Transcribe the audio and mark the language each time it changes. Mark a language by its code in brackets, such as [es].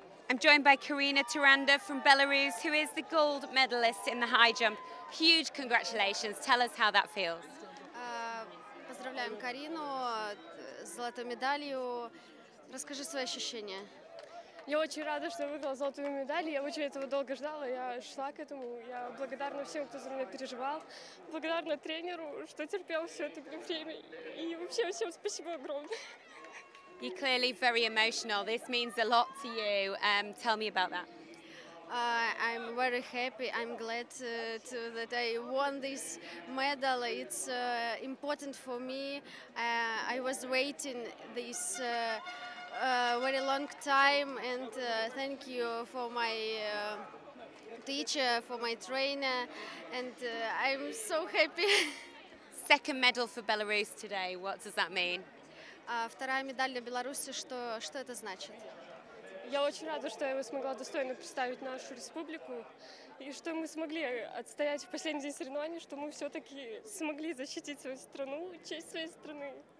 [en] I'm joined by Karyna Taranda from Belarus, who is the gold medalist in the high jump. Huge congratulations. Tell us how that feels. [ru] Поздравляем Карину с золотой медалью. Расскажи свои ощущения. Я очень рада, что выиграла золотую медаль. Я очень этого долго ждала. Я шла к этому. Я благодарна всем, кто за меня переживал. Благодарна тренеру, что терпел все это время. И вообще всем спасибо огромное. [en] You're clearly very emotional. This means a lot to you. Tell me about that. I'm very happy. I'm glad that I won this medal. It's important for me. I was waiting this very long time, and thank you for my teacher, for my trainer, and I'm so happy. Second medal for Belarus today. What does that mean? [ru] Вторая медаль для Беларуси, что это значит? Я очень рада, что я смогла достойно представить нашу республику и что мы смогли отстоять в последний день соревнований, что мы все-таки смогли защитить свою страну, честь своей страны.